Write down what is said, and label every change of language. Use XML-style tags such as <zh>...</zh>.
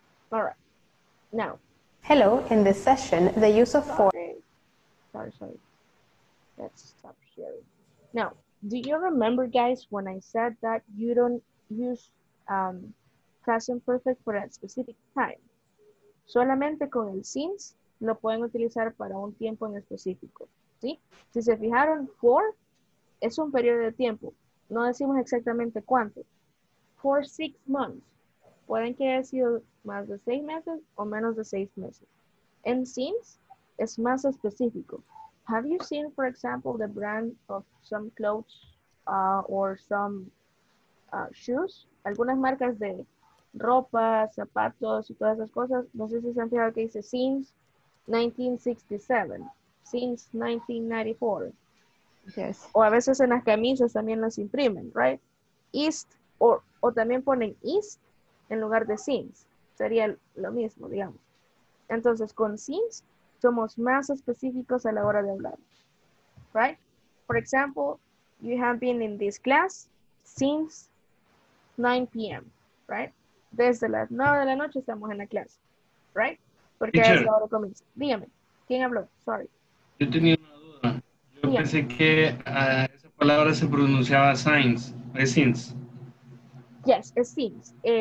<en>All right. Now. Hello. In this session, the use of for. Sorry. Let's stop here. Now, do you remember, guys, when I said that you don't use present perfect for a specific time?</en> <es>Solamente con el since lo pueden utilizar para un tiempo en específico. ¿Sí? Si se fijaron, for es un periodo de tiempo. No decimos exactamente cuánto.</es> <en>For 6 months.</en> <es>Pueden que haya sido más de 6 meses o menos de 6 meses. And since es más específico.</es> <en>Have you seen, for example, the brand of some clothes or some shoes?</en> <es>Algunas marcas de ropa, zapatos y todas esas cosas. No sé si se han fijado que dice since 1967, since 1994.</es> <en>Yes.</en> <es>O a veces en las camisas también las imprimen, right? East, o también ponen east en lugar de since. Sería lo mismo, digamos. Entonces, con since, somos más específicos a la hora de hablar.</es> <en>Right? For example, you have been in this class since 9 p.m., right?</en> <es>Desde las 9 de la noche estamos en la clase, right? Porque es la hora comienza. Dígame, ¿quién habló? Sorry. Yo tenía una duda. Yo Dígame. Pensé que esa palabra se pronunciaba since. Yes, es since.</es>